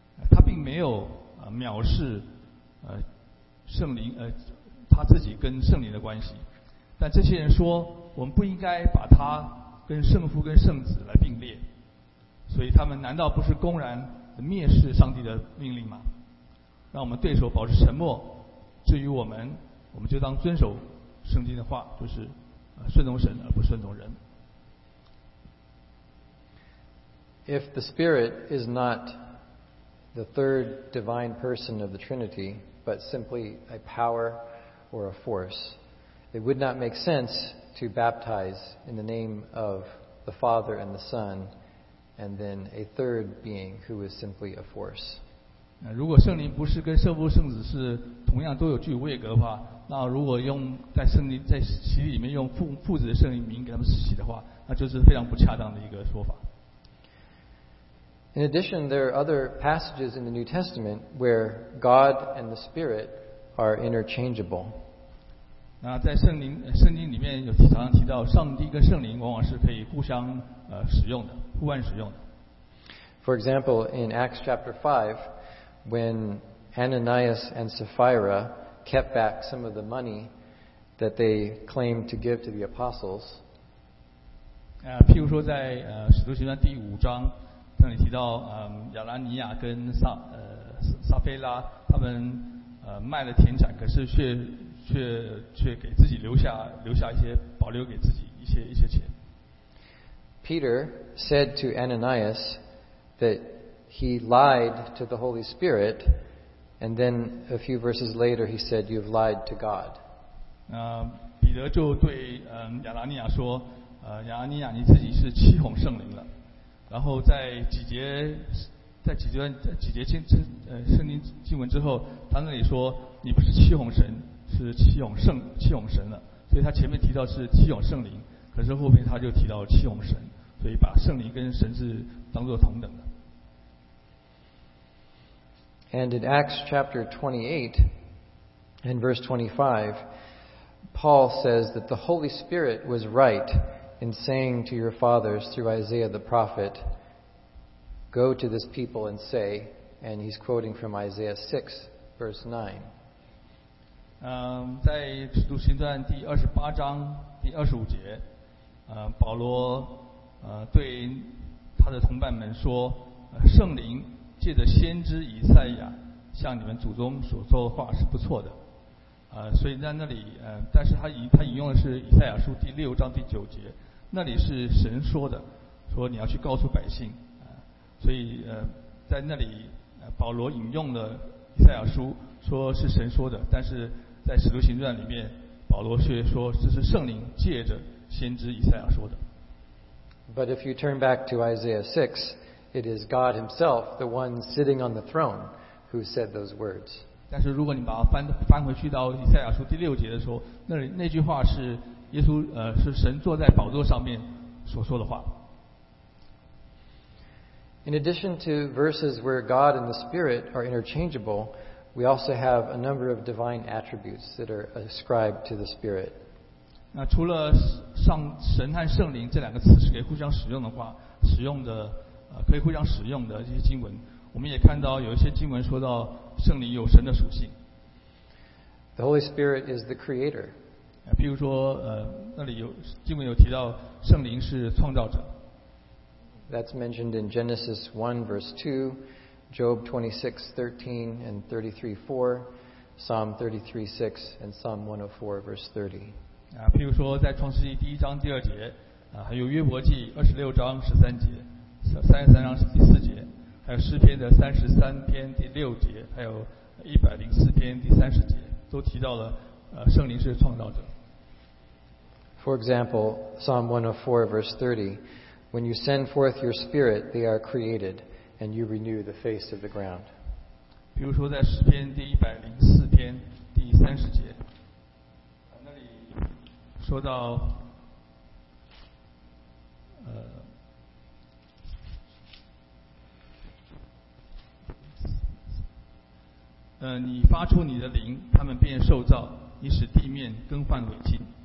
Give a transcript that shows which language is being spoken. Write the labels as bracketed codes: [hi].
[zh] 他并没有藐视圣灵他自己跟圣灵的关系，但这些人说我们不应该把他跟圣父跟圣子来并列，所以他们难道不是公然蔑视上帝的命令吗？让我们对手保持沉默，至于我们就当遵守圣经的话，就是顺从神而不顺从人。 [en] If the Spirit is not the third divine person of the Trinity, but simply a power or a force, it would not make sense to baptize in the name of the Father and the Son, and then a third being who is simply a force. [zh] 如果圣灵不是跟圣父圣子是同样都有具有位格的话，那如果用在圣灵在洗礼里面用父子的圣灵名给他们施洗的话，那就是非常不恰当的一个说法。 [en] In addition, there are other passages in the New Testament where God and the Spirit are interchangeable. [zh] 那在圣经里面有常常提到上帝跟圣灵往往是可以互相使用的，互换使用的。 [en] For example, in Acts chapter 5, when Ananias and Sapphira kept back some of the money that they claimed to give to the apostles. [zh] 譬如说在使徒行传第五章这里提到亚拉尼亚跟撒菲拉他们卖了田产，可是却给自己留下一些保留给自己一些钱。 [en] Peter said to Ananias that he lied to the Holy Spirit, and then a few verses later he said, "You've lied to God." [zh] 彼得就对亚拉尼亚说，亚拉尼亚你自己是欺哄圣灵了。然后在几节圣经经文之后，他那里说你不是欺哄神，是欺哄神了。所以他前面提到是欺哄圣灵，可是后面他就提到欺哄神，所以把圣灵跟神是当作同等的。 [en] And in Acts chapter 28 and verse 25, Paul says that the Holy Spirit was right in saying to your fathers through Isaiah the prophet, go to this people and say, and he's quoting from Isaiah 6, verse 9. [zh] 在使徒行传第二十八章第二十五节，保罗对他的同伴们说，圣灵借着先知以赛亚向你们祖宗所说的话是不错的。所以在那里，但是他引用的是以赛亚书第六章第九节，那里是神说的，说你要去告诉百姓，所以在那里保罗引用了以赛亚书，说是神说的，但是在使徒行传里面，保罗却说这是圣灵借着先知以赛亚说的。 [en] But if you turn back to Isaiah 6, it is God Himself, the one sitting on the throne, who said those words. [zh] 但是如果你把它翻回去到以赛亚书第六节的时候，那句话是耶稣是神坐在宝座上面所说的话。 [en] In addition to verses where God and the Spirit are interchangeable, we also have a number of divine attributes that are ascribed to the Spirit. [zh] 那除了神和圣灵这两个词是可以互相使用的话，使用的可以互相使用的这些经文，我们也看到有一些经文说到圣灵有神的属性。 [en] The Holy Spirit is the Creator. [zh] 譬如说那里有经文有提到圣灵是创造者。 [en] That's mentioned in Genesis 1 verse 2, Job 26, 13 and 33, 4, Psalm 33, 6 and Psalm 104 verse 30. [zh] 譬如说在创世纪第一章第二节，还有约伯记二十六章十三节，三十三章第四节，还有诗篇的三十三篇第六节，还有一百零四篇第三十节，都提到了圣灵是创造者。 [en] For example, Psalm 104 verse 30, when you send forth your spirit, they are created, and you renew the face of the ground. [zh] 比如说在诗篇第104篇第30节，那里说到你发出你的灵，他们便受造，你使地面更换为新。